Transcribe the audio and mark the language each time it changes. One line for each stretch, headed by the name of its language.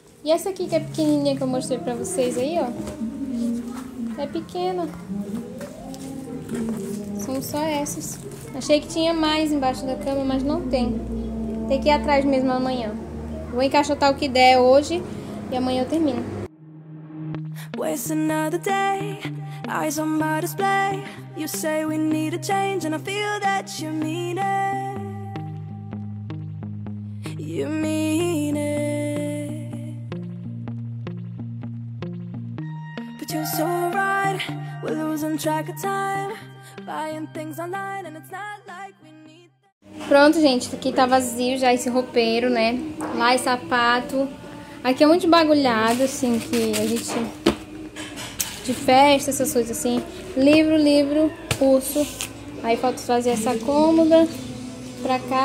Portuguese: E essa aqui que é pequenininha que eu mostrei pra vocês aí, ó. É pequena. São só essas. Achei que tinha mais embaixo da cama, mas não tem. Tem que ir atrás mesmo amanhã. Vou encaixotar o que der hoje e amanhã eu termino.
English: Waste another day, eyes on my display. You say we need a change and I feel that you mean it. You mean it. You're so right, we're losing track of time, buying things online, and it's not like we need.
Portuguese: Pronto, gente, aqui tá vazio já esse roupeiro, né? Lá esse sapato. Aqui é um monte de bagulhado, assim, que a gente. De festa, essas coisas assim. Livro, livro, pulso. Aí falta fazer essa cômoda pra cá.